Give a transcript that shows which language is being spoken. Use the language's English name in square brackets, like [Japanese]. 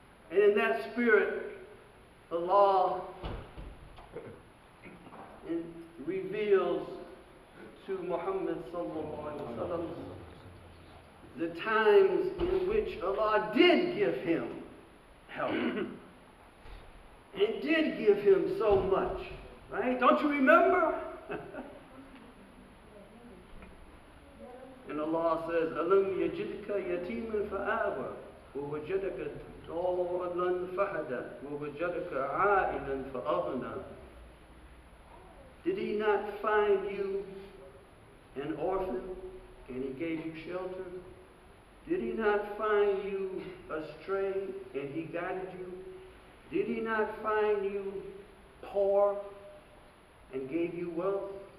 [English] And in that spirit, Allah reveals to Muhammad sallallahu alayhi wa sallam the times in which Allah did give him help. And did give him so much, right? Don't you remember? And Allah says, [Arabic] أَلَمْ يَجِدْكَ يَتِيمًا فَآوَى ووجدك ضالا فهدى ووجدك عائلا فأغنى. [English] Did he not find you an orphan and he gave you shelter? Did he not find you astray and he guided you? Did he not find you poor and gave you wealth?